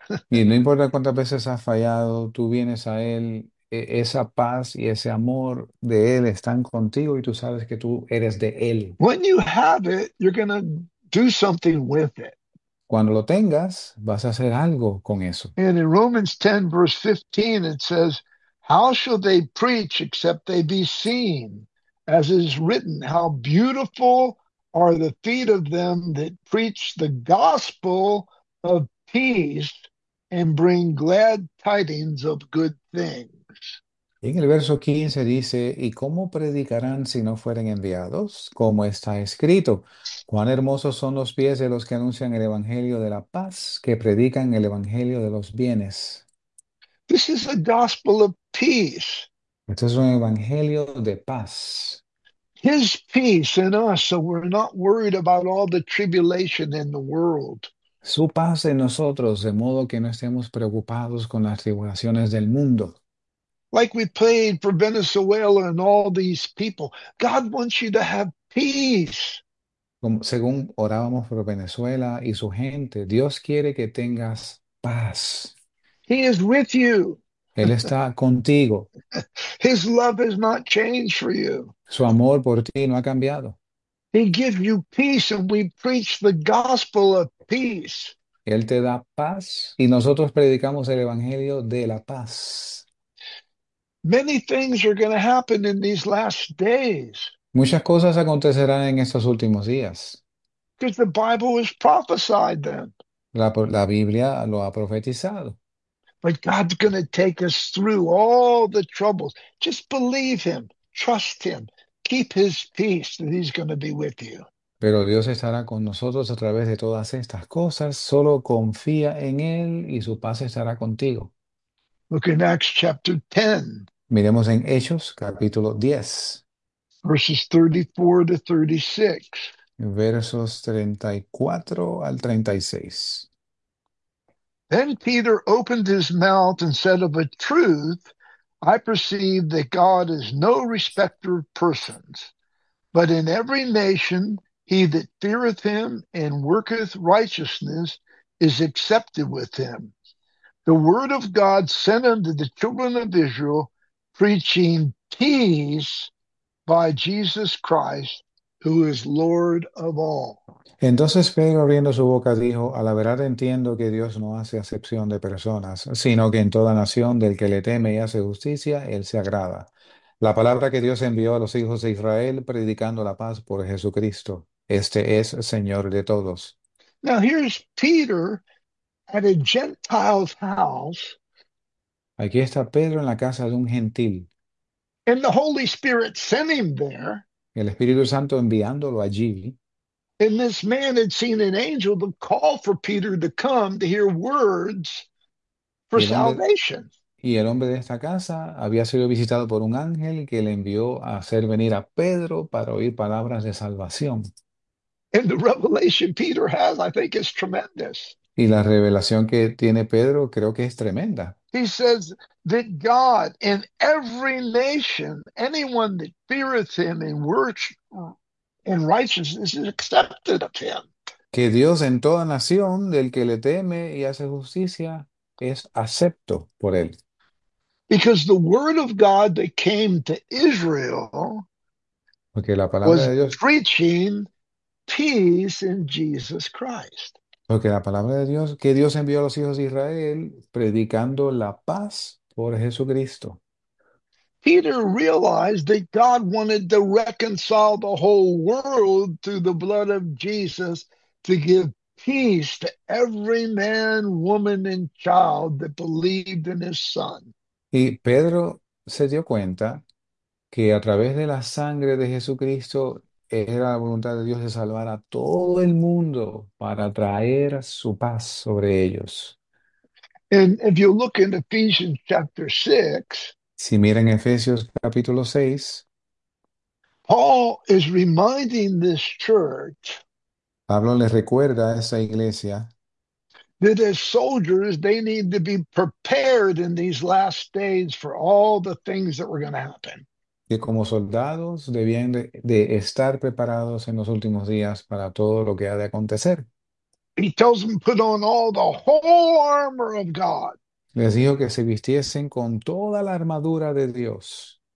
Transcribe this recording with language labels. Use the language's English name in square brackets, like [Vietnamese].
[Spanish] Y no importa cuántas veces has fallado, tú vienes a él, esa paz y ese amor de él están contigo y tú sabes que tú eres de él. [English] When you have it, you're going to do something with it. [Spanish] Cuando lo tengas, vas a hacer algo con eso. [English] And in Romans 10, verse 15, it says, "How shall they preach except they be seen? As is written, how beautiful are the feet of them that preach the gospel of peace and bring glad tidings of good things." [Spanish] En el verso 15 dice, ¿y cómo predicarán si no fueren enviados? Como está escrito, cuán hermosos son los pies de los que anuncian el Evangelio de la paz, que predican el Evangelio de los bienes. [English] This is a gospel of peace. [Spanish] Este es un Evangelio de paz. [English] His peace in us, so we're not worried about all the tribulation in the world. [Spanish] Su paz en nosotros, de modo que no estemos preocupados con las tribulaciones del mundo. [English] Like we prayed for Venezuela and all these people, God wants you to have peace. [Spanish] Según orábamos por Venezuela y su gente, Dios quiere que tengas paz. [English] He is with you. [Spanish] Él está contigo. [English] His love has not changed for you. [Spanish] Su amor por ti no ha cambiado. [English] He gives you peace, and we preach the gospel of peace. [Spanish] Él te da paz y nosotros predicamos el Evangelio de la paz. [English] Many things are going to happen in these last days. [Spanish] Muchas cosas acontecerán en estos últimos días. [English] Because the Bible was prophesied then. [Spanish] La Biblia lo ha profetizado. [English] But God's going to take us through all the troubles. Just believe him, trust him, keep his peace, and he's going to be with you. [Spanish] Pero Dios estará con nosotros a través de todas estas cosas. Solo confía en Él y su paz estará contigo. [English] Look in Acts chapter 10, [Spanish] Miremos en Hechos, capítulo 10. [English] verses 34 to 36. [Spanish] Versos 34 al 36. [English] Then Peter opened his mouth and said, "Of a truth, I perceive that God is no respecter of persons, but in every nation he that feareth him and worketh righteousness is accepted with him. The word of God sent unto the children of Israel, preaching peace by Jesus Christ, who is Lord of all." [Spanish] Entonces Pedro, abriendo su boca, dijo, a la verdad entiendo que Dios no hace acepción de personas, sino que en toda nación del que le teme y hace justicia, él se agrada. La palabra que Dios envió a los hijos de Israel, predicando la paz por Jesucristo. Este es Señor de todos. [English] Now here's Peter at a Gentile's house. [Spanish] Aquí está Pedro en la casa de un gentil. [English] And the Holy Spirit sent him there. [Spanish] El Espíritu Santo enviándolo allí. [English] And this man had seen an angel to call for Peter to come to hear words for salvation. [Spanish] Y el hombre de esta casa había sido visitado por un ángel que le envió a hacer venir a Pedro para oír palabras de salvación. [English] And the revelation Peter has, I think, is tremendous. [Spanish] Y la revelación que tiene Pedro creo que es tremenda. [English] He says that God in every nation, anyone that feareth him and works in righteousness is accepted of him. [Spanish] Que Dios en toda nación, del que le teme y hace justicia, es acepto por él. [English] Because the word of God that came to Israel [Spanish] Porque la palabra [English] was [Spanish] de Dios. [English] preaching peace in Jesus Christ. [Spanish] Porque la palabra de Dios, que Dios envió a los hijos de Israel predicando la paz por Jesucristo. [English] Peter realized that God wanted to reconcile the whole world through the blood of Jesus to give peace to every man, woman, and child that believed in his son. [Spanish] Y Pedro se dio cuenta que a través de la sangre de Jesucristo era la voluntad de Dios de salvar a todo el mundo para traer su paz sobre ellos. [English] And if you look in Ephesians chapter 6, [Spanish] Si miran Efesios capítulo 6, [English] Paul is reminding this church [Spanish] Pablo les recuerda a esa iglesia. [English] that as soldiers, they need to be prepared in these last days for all the things that were going to happen. [Spanish] Que como soldados debían de estar preparados en los últimos días para todo lo que ha de acontecer. [English] He tells them, put on all the whole armor of God. [Spanish] Les dijo que se vistiesen con toda la armadura de Dios.